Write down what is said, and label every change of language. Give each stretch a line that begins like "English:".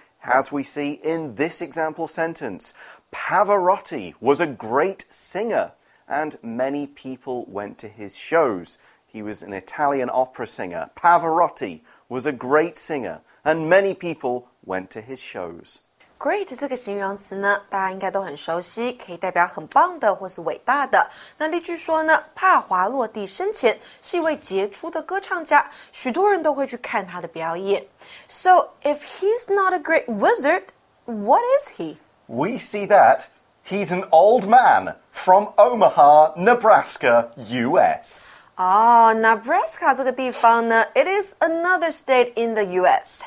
English: As we see in this example sentence, Pavarotti was a great singer and many people went to his shows. He was an Italian opera singer. Pavarotti was a great singer, and many people went to his shows.
Chinese: Great 这个形容词呢，大家应该都很熟悉，可以代表很棒的或是伟大的。那例句说呢，帕华洛蒂生前是一位杰出的歌唱家，许多人都会去看他的表演。
English: So if he's not a great wizard, what is he? We see that he's an old man from Omaha, Nebraska, U.S. Nebraska
Chinese: 这个地方呢
English: It is another state in the U.S.、